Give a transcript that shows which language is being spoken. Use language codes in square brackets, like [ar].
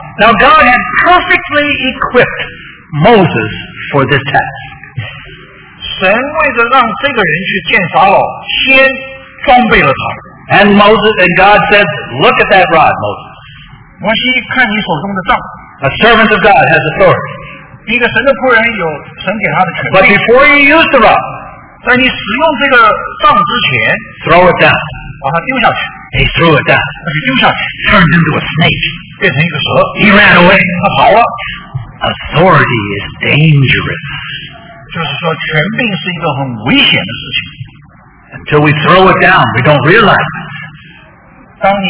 [en] now God had perfectly equipped Moses for this task. [zh] 神为了让这个人去见法老先 [en] And Moses, and God said, look at that rod, Moses. [zh] 摩西看你手中的杖, [en] a servant of God has authority. [zh] 一个神的仆人有神给他的权柄, [en] but before you use the rod, [zh] 在你使用这个杖之前, [en] throw it down. [zh] 把它丢下去, [en] he threw it down. [zh] 把它丢下去, [en] turned into a snake. [zh] 变成一个蛇, [en] he ran away. [zh] 他跑了, [en] authority is dangerous. [zh] 就是说权柄是一个很危险的事情。 [en] Until we throw it down, we don't realize it.